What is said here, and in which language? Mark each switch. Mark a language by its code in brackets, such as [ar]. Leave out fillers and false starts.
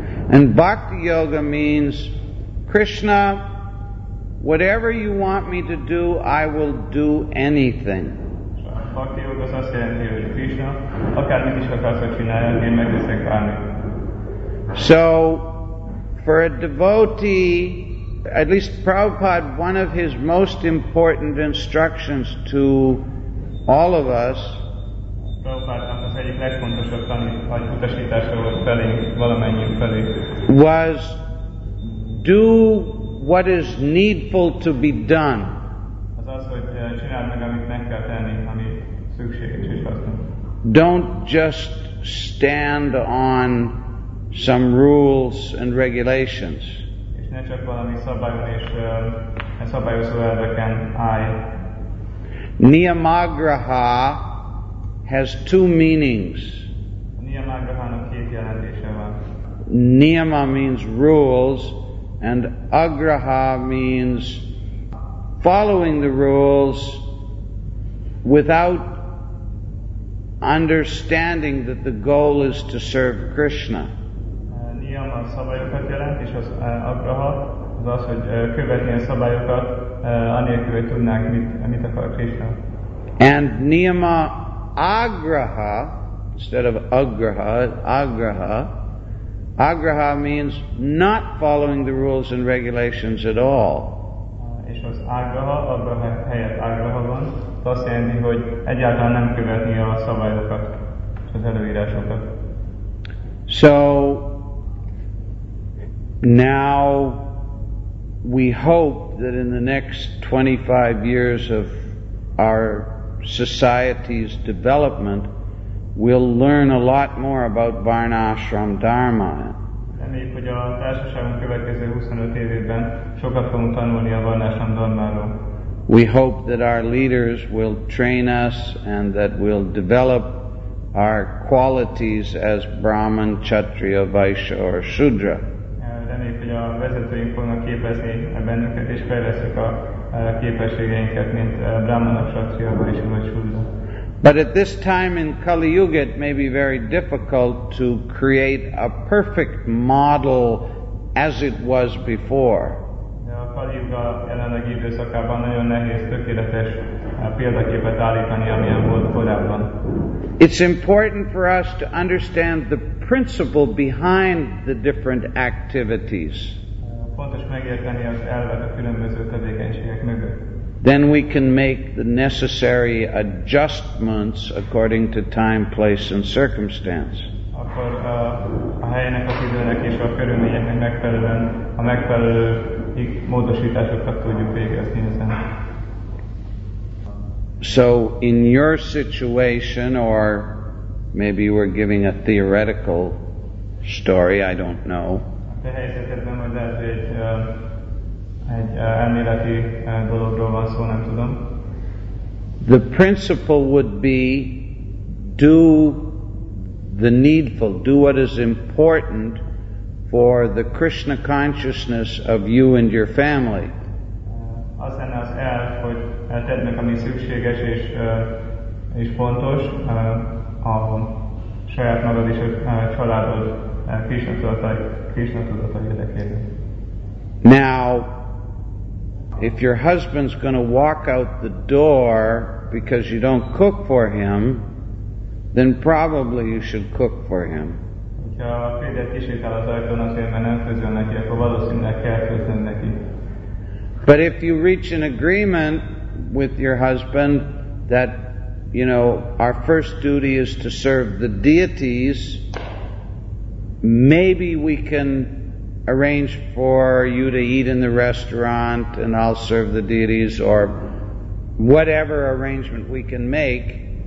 [en] And bhakti yoga means Krishna, whatever you want me to do, I will do anything. [hu] Bhakti yoga azt jelenti, hogy Krishna, akármit is akarsz, hogy csináljak, én megteszek bármit. [en] So, for a devotee, at least Prabhupada, one of his most important instructions to all of us, [hu] Prabhupada-nak az egyik legfontosabb tanítvány utasítása volt felénk, valamennyiünk felé, [en] was do what is needful to be done. [hu] Azaz, hogy csináld meg, amit meg kell tenni, ami szükséges és hasznos. [en] Don't just stand on some rules and regulations. [hu] És ne csak valami szabályon és szabályozó elveken állj. [en] Niyamagraha has two meanings. [hu] Niyamagrahának két jelentése van. [en] Niyama means rules, and agraha means following the rules without understanding that the goal is to serve Krishna. [hu] Niyama szabályokat jelent, és az agraha az az, hogy követni a szabályokat, anélkül, hogy tudnánk, mit akar Krishna. [en] And niyama agraha, instead of agraha, agraha, agraha means not following the rules and regulations at all. [hu] És az agraha, agraha helyett agraha van, azt jelenti, hogy egyáltalán nem követni a szabályokat, az előírásokat. [en] So, now we hope that in the next 25 years of our society's development, we'll learn a lot more about Varnashram Dharma. [hu] Reméljük, hogy a társaságunk következő 25 évében sokat fogunk tanulni a Varnashram Dharmáról. [en] We hope that our leaders will train us and that we'll develop our qualities as Brahman, Kshatriya, Vaishya or Shudra. [hu] Reméljük, hogy a vezetőink fognak képezni bennünket és fejlesztjük a képességeinket, mint Brahman, Kshatriya, Vaishya vagy Shudra. [en] But at this time in Kali Yuga, it may be very difficult to create a perfect model as it was before. [hu] De a Kali Yuga jelenlegi időszakában nagyon nehéz tökéletes példaképet állítani, amilyen volt korábban. [en] It's important for us to understand the principle behind the different activities. [hu] Fontos megérteni az elvet a különböző tevékenységek mögött. [en] Then we can make the necessary adjustments according to time, place, and circumstance. [hu] Akkor a helynek, az időnek és a körülményeknek megfelelően a megfelelő módosításokat tudjuk végezni ezen. [en] So in your situation, or maybe we're giving a theoretical story, I don't know. [hu] A helyzetedben majd lehet, hogy egy elméleti dologról van szó, nem tudom. [en] The principle would be do the needful, do what is important for the Krishna consciousness of you and your family. [hu] Az lenne az elv, hogy tedd meg, ami szükséges és fontos a saját magad és a családod Krishna tudatai érdekében. [en] Now, if your husband's going to walk out the door because you don't cook for him, then probably you should cook for him. But if you reach an agreement with your husband that, you know, our first duty is to serve the deities, maybe we can arrange for you to eat in the restaurant and I'll serve the deities, or whatever arrangement we can make.